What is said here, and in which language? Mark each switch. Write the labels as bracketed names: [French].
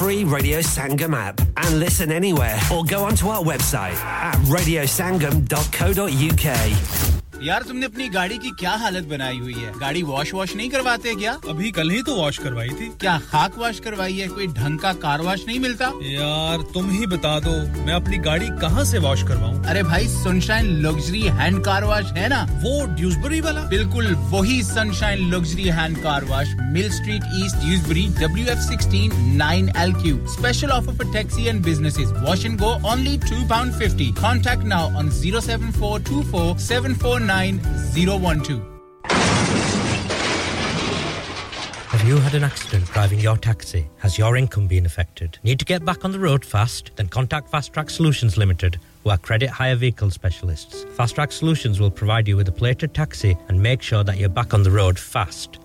[English] Radio Sangam app and listen anywhere or go onto our website at radiosangam.co.uk. [Hindi] यार तुमने अपनी गाड़ी की क्या हालत बनाई हुई है गाड़ी वॉश वॉश नहीं करवाते क्या अभी कल ही तो वॉश करवाई थी क्या खाक वॉश करवाई है कोई ढंग का कार वॉश नहीं मिलता यार तुम ही बता दो मैं अपनी गाड़ी कहां से वॉश करवाऊं अरे भाई sunshine luxury hand car wash है ना वो ड्यूसबरी वाला बिल्कुल वही [English] Sunshine luxury hand car wash mill street east Dewsbury WF16 9LQ special offer for taxi and businesses wash and go only £2.50 contact now on 07424749 9012. Have you had an accident driving your taxi? Has your income been affected? Need to get back on the road fast? Then contact Fast Track Solutions Limited, who are credit hire vehicle specialists. Fast Track Solutions will provide you with a plated taxi and make sure that you're back on the road fast.